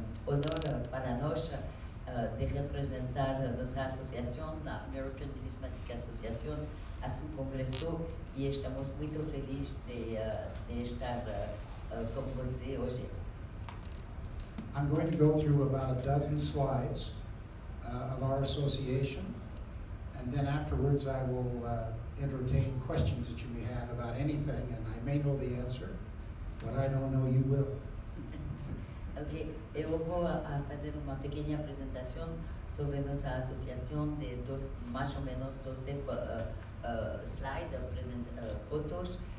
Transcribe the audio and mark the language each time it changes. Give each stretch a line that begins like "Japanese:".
Portuguese: Honor para nós de representar nossa associação, a American Numismatic Association, a seu congresso, e estamos muito felizes de estar com você hoje.
English: I'm going to go through about a dozen slides of our association. And then afterwards, I will entertain questions that you may have about anything, and I may know the answer. What I don't know, you will.
Portuguese: Okay, eu vou a fazer uma pequena apresentação sobre nossa associação de dois, mais ou menos 12 slides, fotos.